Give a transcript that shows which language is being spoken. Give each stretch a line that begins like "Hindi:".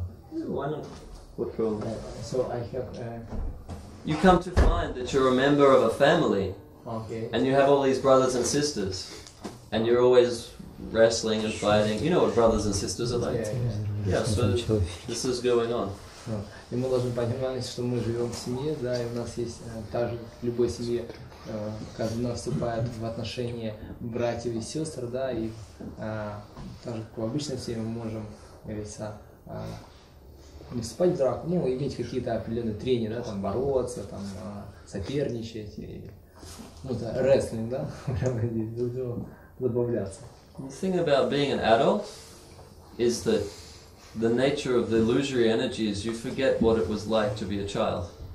English: Why not? What problem? So I have. You come to find that you're a member of a family. Okay. And you have all these brothers and sisters, and you're always wrestling and fighting. You know what brothers and sisters are like. Yeah. So this is going on.
Russian: И мы должны понимать, что мы живем в семье, да, и у нас есть та же в любой семье, каждый наступает в отношения братьев и сестер, да, и так же, как в обычной семье, мы можем, говорится, не вступать в драку, ну, иметь какие-то определенные трения, да, там бороться, там соперничать, и, ну, это рестлинг, да, прямо здесь забавляться.
English: The thing about being an adult is that the nature of the illusory energy is you forget what it was like to be a child.